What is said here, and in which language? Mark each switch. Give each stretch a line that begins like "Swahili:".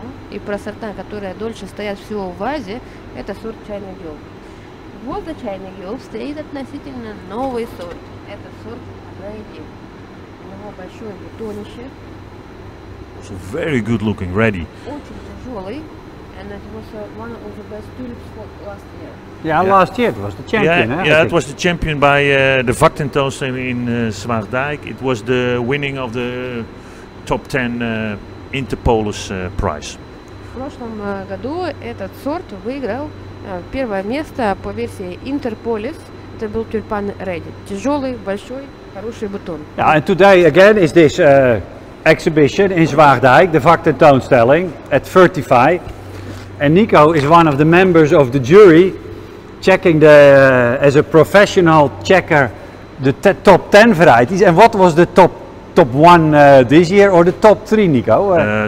Russian: И про сорта, которые дольше стоят всего в вазе, это сорт China Girl. Вот за China Girl стоит относительно новый сорт. Это сорт Grey Deep. У него большое бутонище.
English: So very good looking, ready.
Russian: Очень тяжелый.
English: And it was one of the best tulips for last year. Yeah, last year it was the champion. It was the champion by the Vaktentoos in Zwaagdijk. It was the winning of the top 10 Interpolis prize.
Russian: В прошлом году этот сорт выиграл первое место по версии Interpolis. Это был тюльпан Ready. Тяжелый, большой, хороший бутон.
English: Yeah, and today again is this exhibition in Zwaagdijk, the Vaktentoonstelling at Vertify. And Nico is one of the members of the jury checking the as a professional checker the top 10 varieties. And what was the top one this year, or the top three, Nico?